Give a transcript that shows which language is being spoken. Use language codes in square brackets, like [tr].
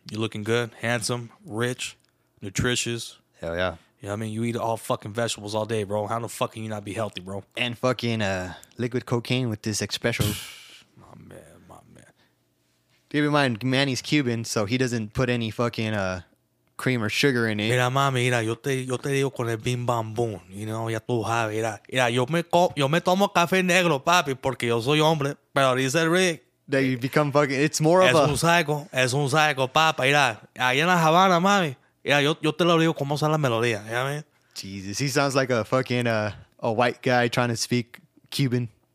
[en] You're looking good, handsome, rich, nutritious. Hell yeah. You know what I mean? You eat all fucking vegetables all day, bro. How the fuck can you not be healthy, bro? And fucking liquid cocaine with this special. My man. Keep in mind, Manny's Cuban, so he doesn't put any fucking... cream or sugar in it. [es] Mira, mami, mira, yo te digo con el bim bam boom, [en] you know, [es] ya tú sabes, mira, yo me tomo café negro, papi, porque yo soy hombre, pero dice Rick. [en] That you become fucking, it's more of [es] es un psycho, papa, mira, allá en la Habana, mami, mira, yo te lo digo como son las melodías, [en] you know what I mean? Jesus, he sounds like a fucking, a white guy trying to speak Cuban.